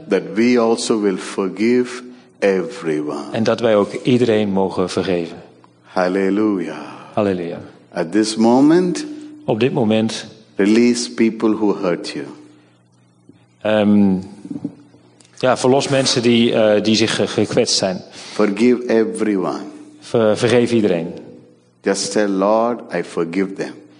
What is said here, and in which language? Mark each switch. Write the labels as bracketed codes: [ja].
[en] That we also will forgive everyone. [nl] En dat wij ook iedereen mogen vergeven. [en] Halleluja. [nl] Halleluja. [en] At this moment. [nl] Op dit moment. [en] Release people who hurt you. [nl] Verlos mensen die zich gekwetst zijn. [en] Forgive everyone. [nl] Vergeef iedereen. [en] Just tell Lord, I forgive them.